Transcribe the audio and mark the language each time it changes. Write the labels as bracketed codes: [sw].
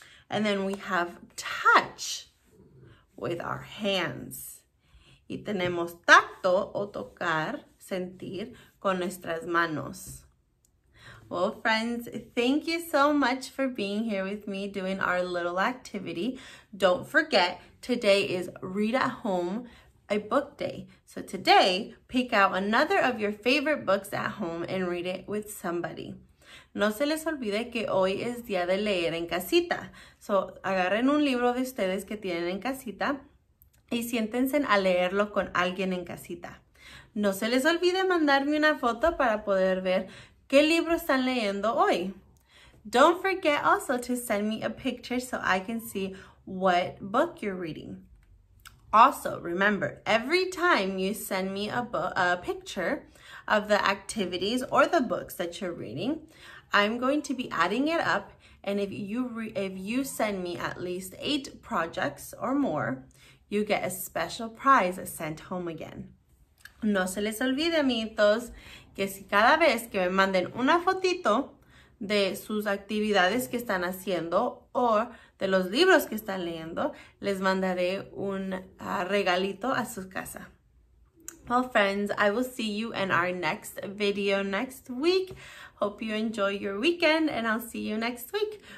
[en] And then we have touch with our hands. [es] Y tenemos tacto o tocar, sentir, con nuestras manos. [en] Well, friends, thank you so much for being here with me doing our little activity. Don't forget, today is Read at Home, a book day. So today, pick out another of your favorite books at home and read it with somebody. [es] No se les olvide que hoy es día de leer en casita. [en] So [es] agarren un libro de ustedes que tienen en casita y siéntense a leerlo con alguien en casita. No se les olvide mandarme una foto para poder ver ¿qué libro están leyendo hoy? [en] Don't forget also to send me a picture so I can see what book you're reading. Also, remember, every time you send me a picture of the activities or the books that you're reading, I'm going to be adding it up. And if you send me at least 8 projects or more, you get a special prize sent home again. [es] No se les olvide, amiguitos, que si cada vez que me manden una fotito de sus actividades que están haciendo o de los libros que están leyendo, les mandaré un regalito a su casa. [en] Well, friends, I will see you in our next video next week. Hope you enjoy your weekend and I'll see you next week.